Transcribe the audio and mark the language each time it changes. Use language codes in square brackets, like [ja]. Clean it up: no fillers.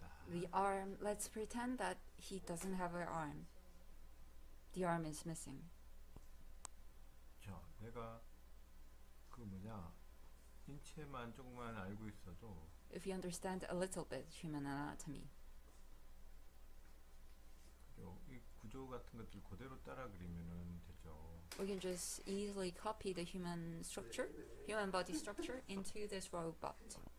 [en] The arm, let's pretend that he doesn't have an arm. The arm is missing. [ko] 자, 내가 그 뭐냐, 인체만 조금만 알고 있어도 [en] if you understand a little bit human anatomy. [ko] 이 구조 같은 것들 그대로 따라 그리면은 되죠. [en] We can just easily copy the human structure, human body structure into this robot.